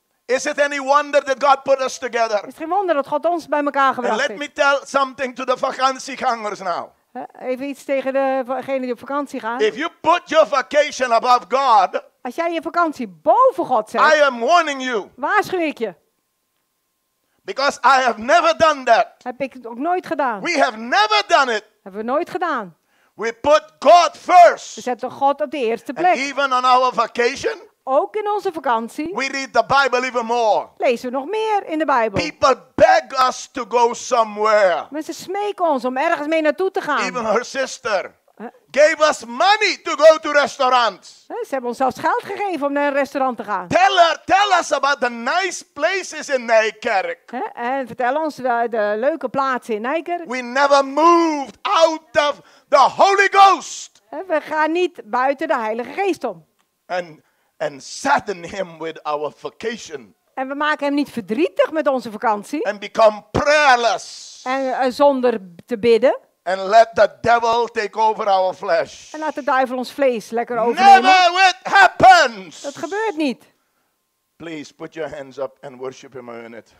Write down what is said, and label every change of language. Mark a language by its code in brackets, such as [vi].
[en] Is it any wonder that God put us together? [nl] Is het geen wonder dat God ons bij elkaar gebracht heeft? [en] Let me tell something to the vakantiegangers now. [nl] Even iets tegen degene die op vakantie gaat. [en] If you put your vacation above God, [nl] als jij je vakantie boven God zet, [en] I am warning you. [nl] Waarschuw ik je. [en] Because I have never done that. [nl] Heb ik het ook nooit gedaan. [en] We have never done it. [nl] Hebben we nooit gedaan. [en] We put God first. [nl] We zetten God op de eerste plek. [en] And even on our vacation. [nl] Ook in onze vakantie. [en] We read the Bible even more. [nl] Lezen we nog meer in de Bijbel. [en] People beg us to go somewhere. [nl] Mensen smeken ons om ergens mee naartoe te gaan. [en] Even her sister gave us money to go to restaurants. [nl] Ze hebben ons zelfs geld gegeven om naar een restaurant te gaan. [en] Tell us about the nice places in Nijkerk. [nl] En vertel ons de leuke plaatsen in Nijkerk. [en] We never moved out of the Holy Ghost. [nl] We gaan niet buiten de Heilige Geest om. [en] And sadden him with our vacation. [nl] En we maken hem niet verdrietig met onze vakantie. [en] And become prayerless. [nl] En zonder te bidden. [en] And let the devil take over our flesh. [nl] En laat de duivel ons vlees lekker overnemen. [en] Never it happens. [nl] Dat gebeurt niet. [en] Please put your hands up and worship him a minute.